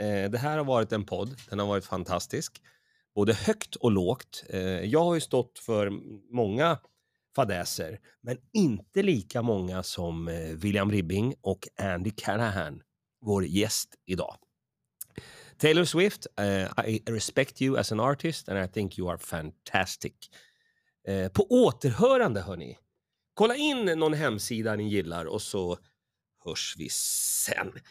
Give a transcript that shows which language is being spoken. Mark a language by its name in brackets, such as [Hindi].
[Swedish] Det här har varit en podd, den har varit fantastisk, både högt och lågt. Jag har ju stått för många fadäser, men inte lika många som William Ribbing och Andy Callahan, vår gäst idag. [English] Taylor Swift, I respect you as an artist and I think you are fantastic. [Swedish] På återhörande, hörni, kolla in någon hemsida ni gillar och så hörs vi sen.